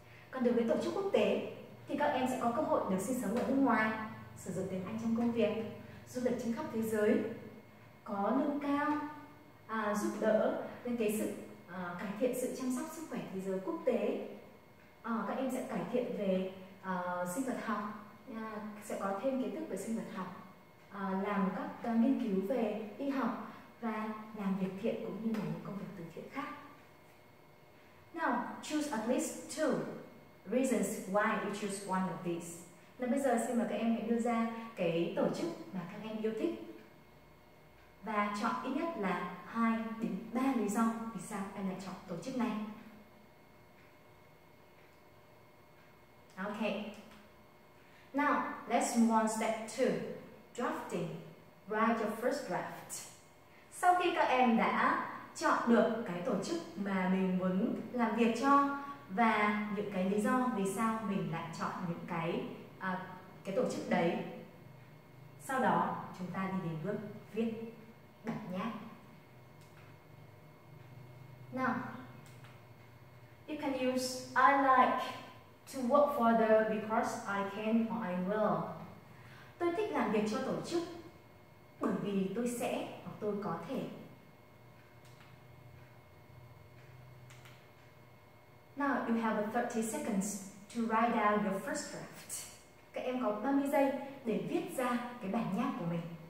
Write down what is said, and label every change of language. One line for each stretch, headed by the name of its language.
Vietnamese: Còn đối với tổ chức quốc tế thì các em sẽ có cơ hội được sinh sống ở nước ngoài, sử dụng tiếng Anh trong công việc, du lịch trên khắp thế giới, có lương cao, giúp đỡ lên cái sự cải thiện sự chăm sóc sức khỏe thế giới quốc tế. Các em sẽ cải thiện về sinh vật học, sẽ có thêm kiến thức về sinh vật học, làm các nghiên cứu về y học và làm việc thiện cũng như là những công việc từ thiện khác.
English: Now, choose at least two reasons why you choose one of these.
Vietnamese: Là bây giờ xin mời các em hãy đưa ra cái tổ chức mà các em yêu thích và chọn ít nhất là 2 đến 3 lý do vì sao em lại chọn tổ chức này.
English: Okay. Now, let's move on step 2. Drafting. Write your first draft.
Vietnamese: Sau khi các em đã chọn được cái tổ chức mà mình muốn làm việc cho và những cái lý do vì sao mình lại chọn những cái tổ chức đấy, sau đó chúng ta đi đến bước viết bản nháp.
English: Now, you can use I like to work for the because I can or I will.
Vietnamese: Tôi thích làm việc cho tổ chức bởi vì tôi sẽ hoặc tôi có thể.
English: Now, you have 30 seconds to write down your first draft.
Vietnamese: Các em có 30 giây để viết ra cái bản nháp của mình.